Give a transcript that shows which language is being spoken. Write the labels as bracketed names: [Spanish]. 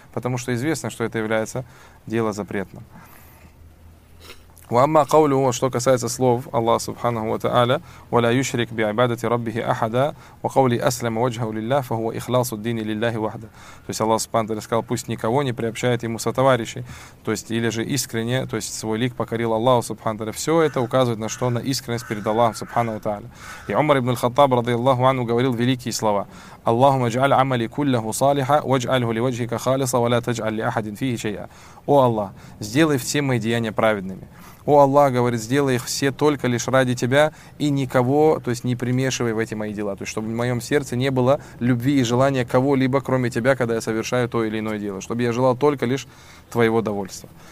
[Russian] Потому что известно, что это является дело запретным. [Arabic] وَأَمَّا قَوْلُهُ [Russian] Что касается слов Аллаха Субханаху ва Тааля, [Arabic] وَلَا يُشْرِكْ بِعِبَادَةِ رَبِّهِ أَحَدًا وَقَوْلِ أَسْلَمَ وَجْهَهُ لِلَّهِ فَهُوَ إِخْلَاصُ الدِّينِ لِلَّهِ وَحْدَهُ [Russian] То есть Аллах Субханаху ва Тааля сказал, пусть никого не приобщает ему сотоварищи, то есть или же искренне, то есть свой лик покорил Аллаху Субханаху ва Тааля. Все это указывает на что? На искренность перед Аллахом Субханаху ва Тааля. И Умар ибн аль-Хаттаб радийаллаху анху говорил великие слова: [Arabic] اللهم اجعل عملي كله صالحا واجعله لوجهك خالصا ولا تجعل لأحد فيه شيئا. [Russian] О Аллах, сделай все мои деяния праведными. О Аллах, говорит, сделай их все только лишь ради Тебя и никого, то есть не примешивай в эти мои дела. То есть, чтобы в моем сердце не было любви и желания кого-либо, кроме Тебя, когда я совершаю то или иное дело. Чтобы я желал только лишь Твоего довольства.